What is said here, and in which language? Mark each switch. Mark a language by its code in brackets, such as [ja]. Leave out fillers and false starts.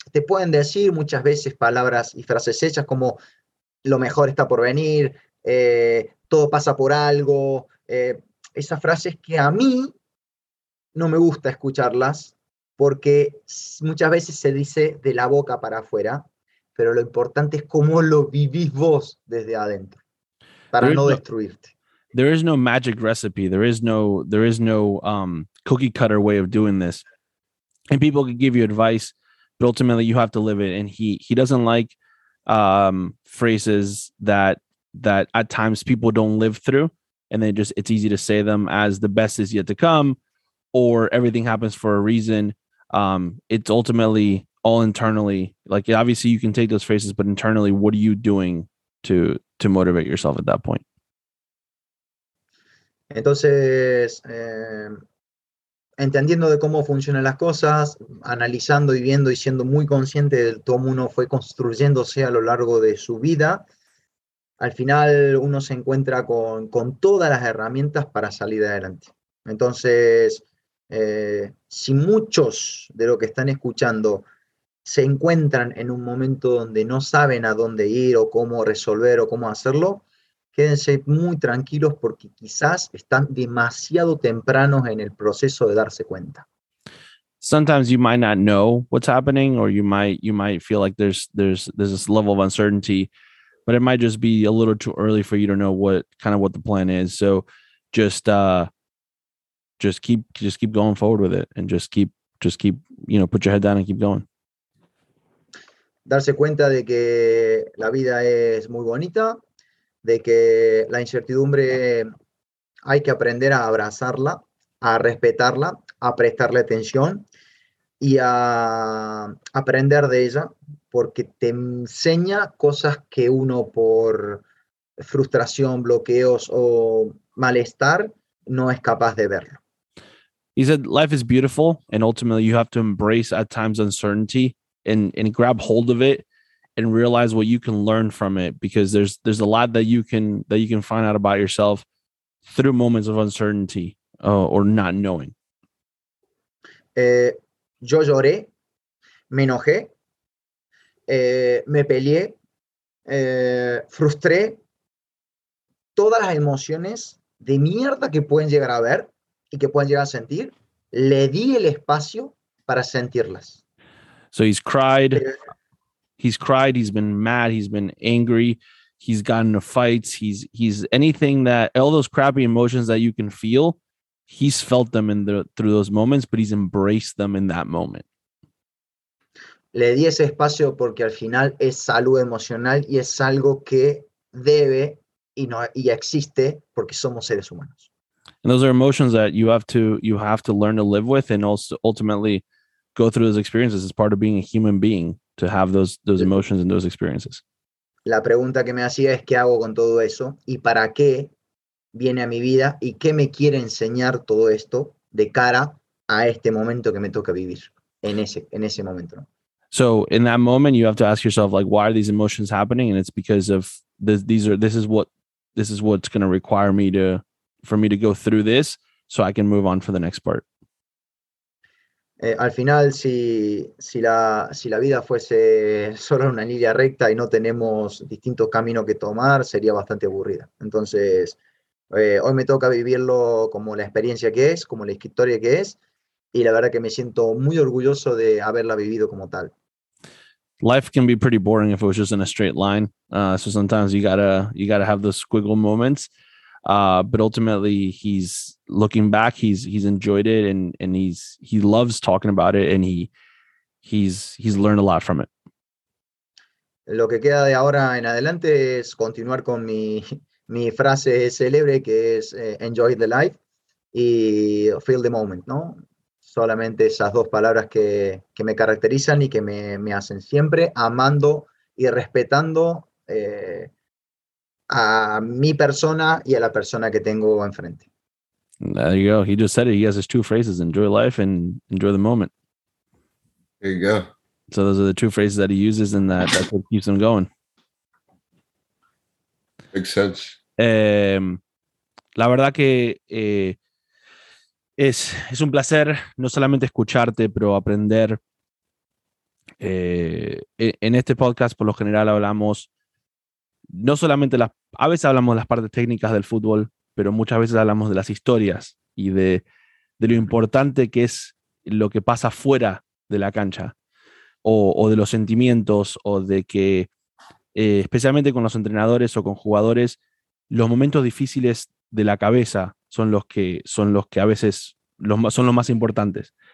[es] Te pueden decir muchas veces palabras y frases hechas como lo mejor está por venir, todo pasa por algo. Esas frases que a mí no me gusta escucharlas porque muchas veces se dice de la boca para afuera, pero lo importante es cómo lo vivís vos desde adentro para no destruirte. [en] There is no magic recipe. There is no cookie cutter way of doing this. And people can give you advice, but ultimately you have to live it. And he doesn't like phrases that at times people don't live through. And then just, it's easy to say them as the best is yet to come, or everything happens for a reason. It's ultimately all internally. Like, obviously you can take those phrases, but internally, what are you doing to motivate yourself at that point? [es] Entonces, entendiendo de cómo funcionan las cosas, analizando y viendo y siendo muy consciente de cómo uno fue construyéndose a lo largo de su vida, al final uno se encuentra con todas las herramientas para salir adelante. Entonces, si muchos de los que están escuchando se encuentran en un momento donde no saben a dónde ir o cómo resolver o cómo hacerlo, quédense muy tranquilos porque quizás están demasiado tempranos en el proceso de darse cuenta. [en] Sometimes you might not know what's happening, or you might feel like there's this level of uncertainty, but it might just be a little too early for you to know what the plan is. So just keep going forward with it, and just keep you know, put your head down and keep going. [es] Darse cuenta de que la vida es muy bonita, de que la incertidumbre hay que aprender a abrazarla, a respetarla, a prestarle atención y a aprender de ella, porque te enseña cosas que uno por frustración, bloqueos o malestar no es capaz de verlo. [en] He said life is beautiful and ultimately you have to embrace at times uncertainty and grab hold of it and realize what you can learn from it, because there's a lot that you can find out about yourself through moments of uncertainty or not knowing. [es] Yo lloré, me enojé, me peleé, frustré, todas las emociones de mierda que pueden llegar a ver y que pueden llegar a sentir, le di el espacio para sentirlas. [en] So he's cried. He's cried, he's been mad, he's been angry, he's gotten into fights, he's anything that, all those crappy emotions that you can feel, he's felt them through those moments, but he's embraced them in that moment. [es] Le di ese espacio porque al final es salud emocional y es algo que debe y no y existe porque somos seres humanos. [en] And those are emotions that you have to learn to live with and also ultimately go through those experiences as part of being a human being. To have those emotions and those experiences. [es] La pregunta que me hacía es qué hago con todo eso y para qué viene a mi vida y qué me quiere enseñar todo esto de cara a este momento que me toca vivir en ese momento. [en] So in that moment, you have to ask yourself, like, why are these emotions happening? And it's because of this is what's going to require me to go through this so I can move on for the next part. [es] Al final, si la vida fuese solo una línea recta y no tenemos distintos caminos que tomar, sería bastante aburrida. Entonces, hoy me toca vivirlo como la experiencia que es, como la historia que es, y la verdad que me siento muy orgulloso de haberla vivido como tal. [en] Life can be pretty boring if it was just in a straight line. So sometimes you gotta have those squiggle moments. But ultimately he's looking back, he's enjoyed it and he loves talking about it and he's learned a lot from it. [es] Lo que queda de ahora en adelante es continuar con mi frase célebre que es [en] enjoy the life [es] y [en] feel the moment, [es] ¿no? Solamente esas dos palabras que me caracterizan y que me hacen siempre amando y respetando a mi persona y a la persona que tengo enfrente. [en] There you go. He just said it. He has his two phrases: enjoy life and enjoy the moment. There you go. So those are the two phrases that he uses, and that's what keeps him going. Makes sense. [es] La verdad que es un placer no solamente escucharte, pero aprender. En este podcast, por lo general, hablamos no solamente a veces hablamos de las partes técnicas del fútbol, pero muchas veces hablamos de las historias y de lo importante que es lo que pasa fuera de la cancha o de los sentimientos o de que, especialmente con los entrenadores o con jugadores, los momentos difíciles de la cabeza son los que a veces son los más importantes.